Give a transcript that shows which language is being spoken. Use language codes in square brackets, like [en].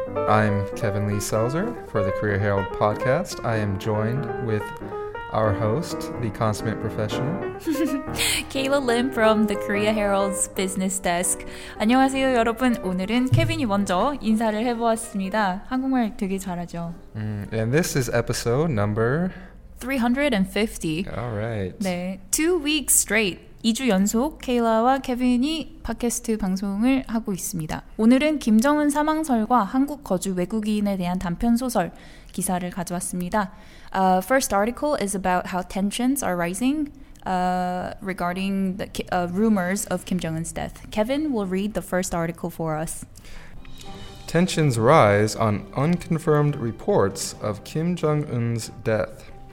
[en] I'm Kevin Lee Selzer for the Career Herald podcast. I am joined with our host, the consummate professional. Kayla Lim from the Korea Herald's business desk. [ko] 안녕하세요, 여러분. 오늘은 케빈이 먼저 인사를 해보았습니다. 한국말 되게 잘하죠. [en] And this is episode number... 350. All right. 네, 2 weeks straight. [ko] 2주 연속 케일라와 케빈이 팟캐스트 방송을 하고 있습니다. 오늘은 김정은 사망설과 한국 거주 외국인에 대한 단편 소설 기사를 가져왔습니다. [en] First article is about how tensions are rising regarding the rumors of Kim Jong-un's death. Kevin will read the first article for us. Tensions rise on unconfirmed reports of Kim Jong-un's death.